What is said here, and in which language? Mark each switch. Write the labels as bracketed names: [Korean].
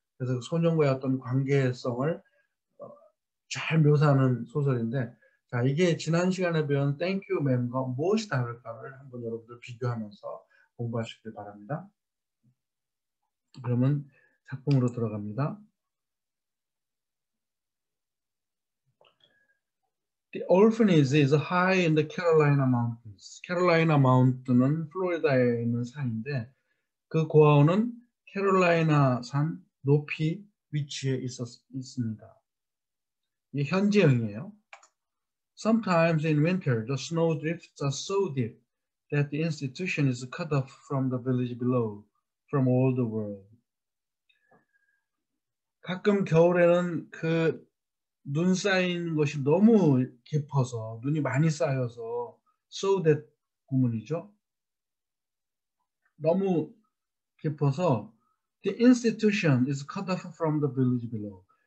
[Korean] 그래서 소년과의 어떤 관계성을 잘 묘사하는 소설인데 자 이게 지난 시간에 배운 땡큐 맨과 무엇이 다를까를 한번 여러분들 비교하면서 공부하시길 바랍니다. 그러면 작품으로 들어갑니다. [English] The Orphanage is high in the Carolina Mountains. [Korean] 캐롤라이나 마운트는 플로리다에 있는 산인데 그 고아원은 캐롤라이나 산 높이 위치에 있습니다. 이게 현지형이에요. [English] Sometimes in winter, the snow drifts are so deep that the institution is cut off from the village below, from all the world. [Korean] 가끔 겨울에는 그 눈 쌓인 것이 너무 깊어서 눈이 많이 쌓여서 so that 구문이죠. 너무 깊어서 [English] the institution is cut off from the village below.